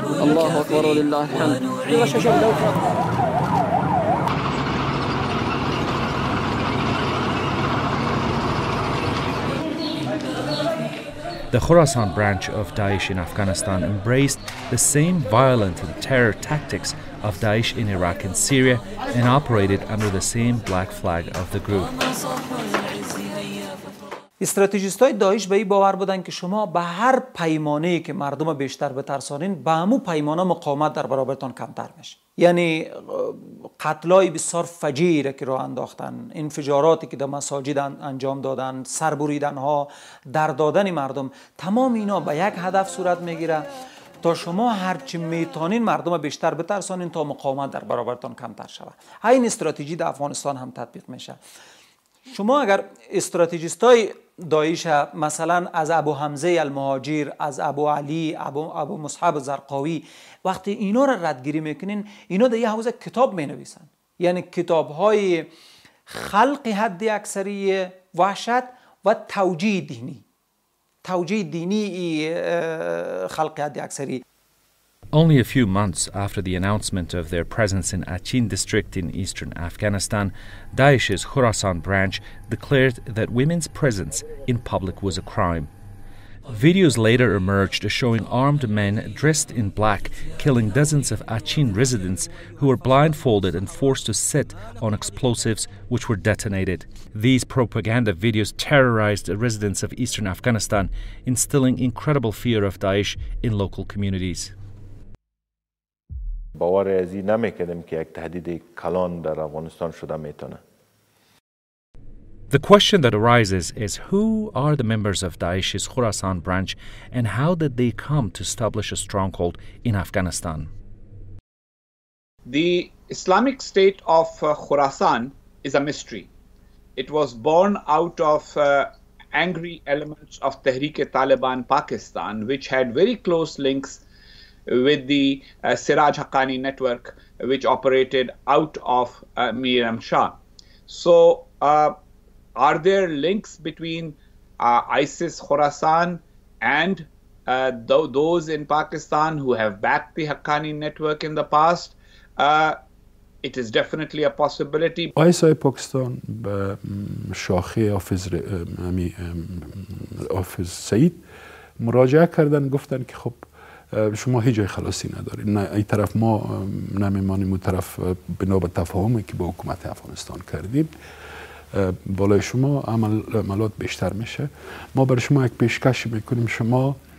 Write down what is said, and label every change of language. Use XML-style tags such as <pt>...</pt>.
<en>The Khorasan branch of Daesh in Afghanistan embraced the same violent and terror tactics of Daesh in Iraq and Syria and operated under the same black flag of the group.</en> <fa>استراتژیست های داعش به این باور بودن که شما به هر پیمانه‌ای که مردم بیشتر بترسانین به همو پیمانه مقاومت در برابرتان کمتر میشه. یعنی قتلای بسیار فجیع که راه انداختن، انفجاراتی که در مساجد انجام دادن، سربریدن ها، در دادن مردم، تمام اینا به یک هدف صورت میگیره تا شما هرچی میتونین مردم بیشتر بترسانین تا مقاومت در برابرتان کمتر شود. این استراتژی در افغانستان هم تطبیق میشه. شما اگر استراتژیست های داعش مثلا از ابو حمزه المهاجر، از ابو علی، ابو مصحب زرقاوی، وقتی اینا را ردگیری میکنین، اینا در یه حوزه کتاب مینویسن، یعنی کتاب های خلق حد اکثری وحشت و توجیه دینی، توجیه دینی خلق حد اکثری.</fa> <en>Only a few months after the announcement of their presence in Achin district in eastern Afghanistan, Daesh's Khorasan branch declared that women's presence in public was a crime. Videos later emerged showing armed men dressed in black killing dozens of Achin residents who were blindfolded and forced to sit on explosives which were detonated. These propaganda videos terrorized the residents of eastern Afghanistan, instilling incredible fear of Daesh in local communities.</en> <fa>باور ازی نمیکردم که یک تهدید کلان در افغانستان شده میتونه.</fa> <en>The question that arises is who are the members of Daesh's Khorasan branch and how did they come to establish a stronghold in Afghanistan? The Islamic State of Khorasan is a mystery. It was born out of angry elements of Tehrik-e-Taliban Pakistan, which had very close links with the Siraj Haqqani network, which operated out of Miram Shah. So are there links between ISIS Khorasan and those in Pakistan who have backed the Haqqani network in the past? It is definitely a possibility. ISI Pakistan, Shahi of his Saeed,</en> <fa>مراجعه کردن گفتن که خب شما هیچ جای خلاصی نداری، نه این طرف ما نمیمانیم، اون طرف بنا به تفاهمی که با حکومت افغانستان کردیم بالای شما عملات بیشتر میشه، ما برای شما یک پیشکش میکنیم، شما</fa>